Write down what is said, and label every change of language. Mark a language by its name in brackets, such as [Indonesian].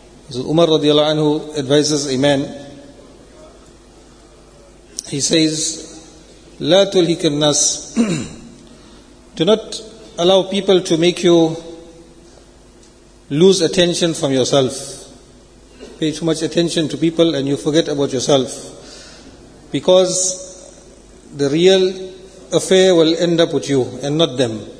[English] Hazrat Umar radiallahu anhu advises a man. He says, [Arabic] لَا تُلْهِكَ النَّاسِ. [English] Do not allow people to make you lose attention from yourself. Pay too much attention to people and you forget about yourself. Because the real affair will end up with you and not them.